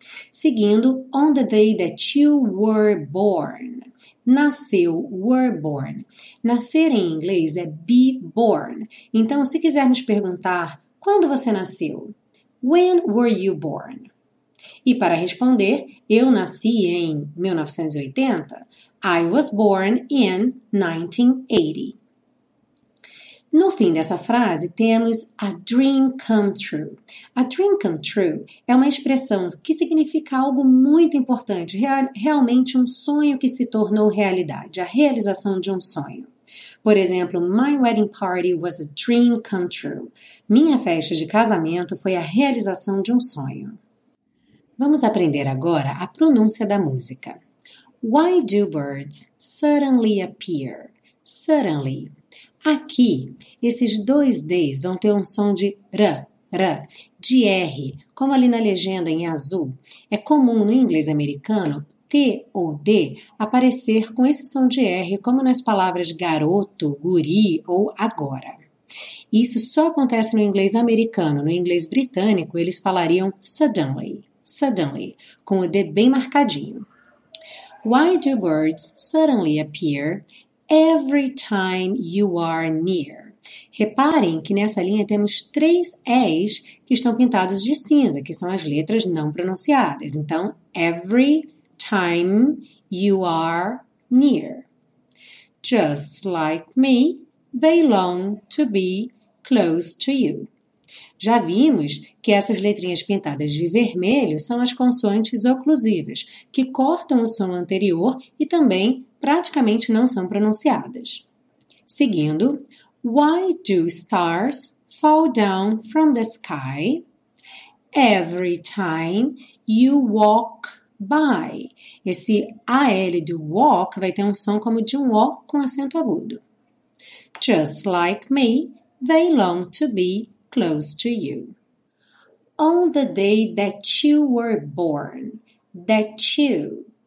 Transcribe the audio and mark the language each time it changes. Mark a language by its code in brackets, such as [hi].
[pt] Seguindo, [en] on the day that you were born. Nasceu, were born. [pt] Nascer em inglês é be born. Então, se quisermos perguntar, quando você nasceu? [en] When were you born? [pt] E para responder, eu nasci em 1980. [en] I was born in 1980. [pt] No fim dessa frase, temos [en] a dream come true. [pt] A dream come true é uma expressão que significa algo muito importante, realmente um sonho que se tornou realidade, a realização de um sonho. Por exemplo, [en] my wedding party was a dream come true. [pt] Minha festa de casamento foi a realização de um sonho. Vamos aprender agora a pronúncia da música. [en] Why do birds suddenly appear? Suddenly. [pt] Aqui, esses dois D's vão ter um som de R, de R, como ali na legenda em azul. É comum no inglês americano T ou D aparecer com esse som de R, como nas palavras garoto, guri ou agora. Isso só acontece no inglês americano. No inglês britânico, eles falariam suddenly, suddenly, com o D bem marcadinho. [en] Why do birds suddenly appear every time you are near? [pt] Reparem que nessa linha temos três E's que estão pintados de cinza, que são as letras não pronunciadas. [en] Então, every time you are near. Just like me, they long to be close to you. [pt] Já vimos que essas letrinhas pintadas de vermelho são as consoantes oclusivas, que cortam o som anterior e também praticamente não são pronunciadas. Seguindo, [en] why do stars fall down from the sky every time you walk by? [pt] Esse AL do walk vai ter um som como de um O com acento agudo. [en] Just like me, they long to be close to you. On the day that you were born, that you.